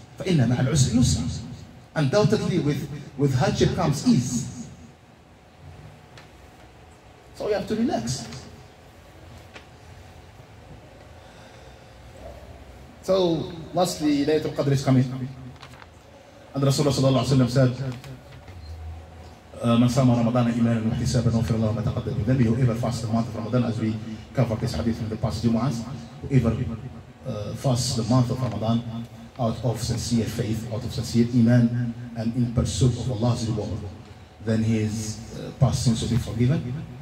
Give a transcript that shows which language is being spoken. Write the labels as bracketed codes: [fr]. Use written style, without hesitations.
[ar] فإن مع العسر يسر. [en] Undoubtedly, with hardship comes ease. So we have to relax. So lastly, Laylatul Qadr is coming. And Rasulullah sallallahu alayhi wa sallam said, [ar] من صام رمضان إيمانا واحتسابا وغفر الله ما تقدم من ذنبه. [en] Whoever fasts the month of Ramadan, as we covered this hadith in the past Jumu'ahs, whoever fasts the month of Ramadan out of sincere faith, out of sincere iman, and in pursuit of Allah's reward, then his past sins will be forgiven.